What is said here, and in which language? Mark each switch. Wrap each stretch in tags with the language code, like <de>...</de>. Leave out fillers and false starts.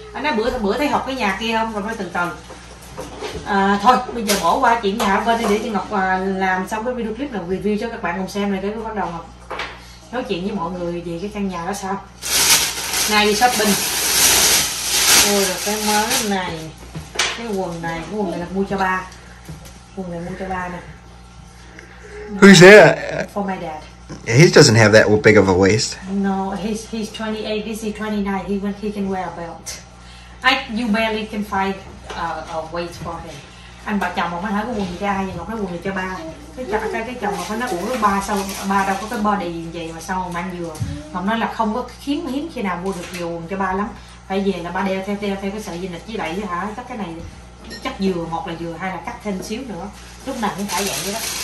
<vi>Anh nói bữa thấy hợp cái nhà kia không, rồi nói từ từ. Thôi bây giờ bỏ qua chuyện nhà bên đi để cho Ngọc làm xong cái video clip nào review cho các bạn cùng xem này. Cái bắt đầu Ngọc nói chuyện với mọi người về cái căn nhà đó sao. Nay đi shopping. Ôi rồi cái mớ này, cái quần này là mua cho ba nè.</vi> <en>Who's that? For my dad. He doesn't have that big of a waist. No, he's 28, this is 29, he can wear a belt. You barely can find a waist for him.</en> <vi>Anh bà chồng mà nói có quần gì cho ai, thì Ngọc nói quần gì cho ba. Cái chồng mà nói ủa ba sao, ba đâu có cái body gì vậy mà sao mà anh vừa. Ngọc nói là không có hiếm khi nào mua được nhiều quần cho ba lắm. Phải về là ba đeo theo cái sợi dây nịch với đẩy chứ hả, chắc cái này chắc vừa, một là vừa, hai là cắt thêm xíu nữa. Lúc nào cũng phải vậy đó.</vi>